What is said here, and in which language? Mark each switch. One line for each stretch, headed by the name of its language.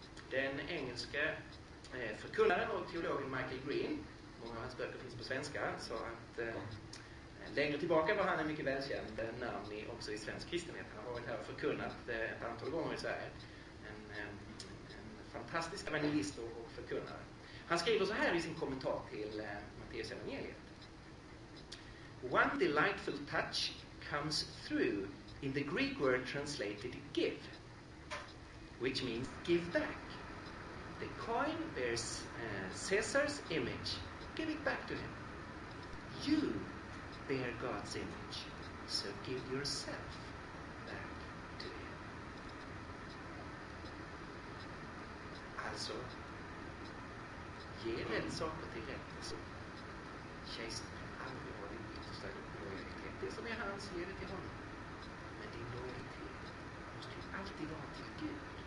Swedish: Den engelska förkunnaren och teologen Michael Green, många av hans böcker finns på svenska, så att längre tillbaka var han en mycket välkänd namn också i svensk kristenhet. Han har varit här och förkunnat ett antal gånger i Sverige. En fantastisk evangelist och förkunnare. Han skriver så här i sin kommentar till Matteus evangeliet.
English: One delightful touch comes through in the Greek word translated give, which means give back. The coin bears Caesar's image. Give it back to him. You bear God's image. So give yourself back to him.
Swedish: Alltså, ge rätt saker till rätt person. Kejsaren har aldrig varit en lojalitet. Det som är hans, ge det till honom. Men din lojalitet måste ju alltid vara till Gud.